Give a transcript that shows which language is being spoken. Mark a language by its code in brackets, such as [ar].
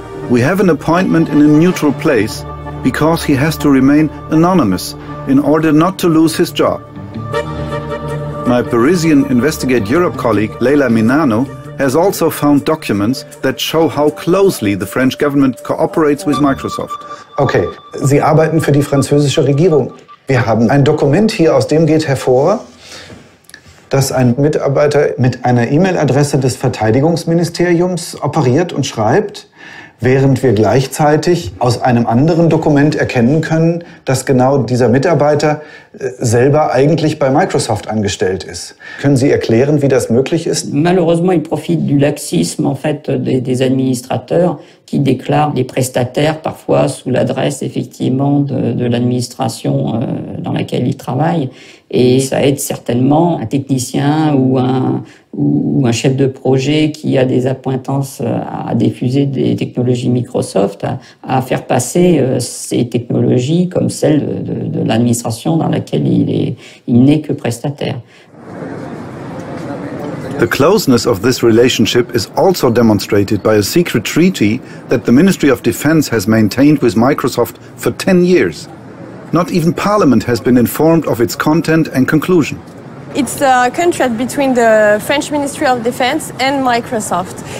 [en] We have an appointment in a neutral place because he has to remain anonymous in order not to lose his job. My Parisian Investigate Europe colleague Leila Minano has also found documents that show how closely the French government cooperates with Microsoft. [de] Okay, Sie arbeiten für die französische Regierung. Wir haben ein Dokument hier, aus dem geht hervor, dass ein Mitarbeiter mit einer E-Mail-Adresse des Verteidigungsministeriums operiert und schreibt, während wir gleichzeitig aus einem anderen Dokument erkennen können, dass genau dieser Mitarbeiter selber eigentlich bei Microsoft angestellt ist. Können Sie erklären, wie das möglich ist? [fr] Malheureusement, il profite du laxisme en fait des administrateurs qui déclarent des prestataires parfois sous l'adresse effectivement de l'administration dans laquelle ils travaillent. Et ça aide certainement un technicien ou un chef de projet qui a des appointances à diffuser des technologies Microsoft à faire passer ces technologies comme celles de l'administration dans laquelle il n'est que prestataire. [en] The closeness of this relationship is also demonstrated by a secret treaty that the Ministry of Defense has maintained with Microsoft for 10 years. Not even Parliament has been informed of its content and conclusion. It's a contract between the French Ministry of Defense and Microsoft.